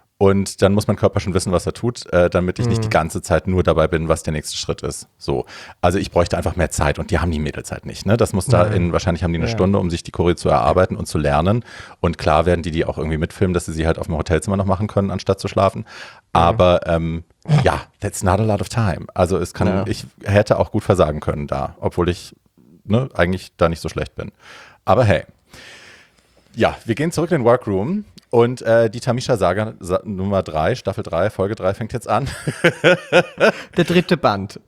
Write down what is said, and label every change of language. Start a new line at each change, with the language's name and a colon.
German: Und dann muss mein Körper schon wissen, was er tut, damit ich nicht die ganze Zeit nur dabei bin, was der nächste Schritt ist. So. Also ich bräuchte einfach mehr Zeit und die haben die Mädels halt nicht. Ne? Das muss da wahrscheinlich haben die eine Stunde, um sich die Choreo zu erarbeiten und zu lernen. Und klar werden die auch irgendwie mitfilmen, dass sie halt auf dem Hotelzimmer noch machen können, anstatt zu schlafen.
English: Aber that's not a lot of time.
German: Also es kann, ich hätte auch gut versagen können da, obwohl ich eigentlich da nicht so schlecht bin. Aber hey. Ja, wir gehen zurück in den Workroom. Und die Tamisha-Saga Nummer 3, Staffel 3, Folge 3 fängt jetzt an. Der dritte Band.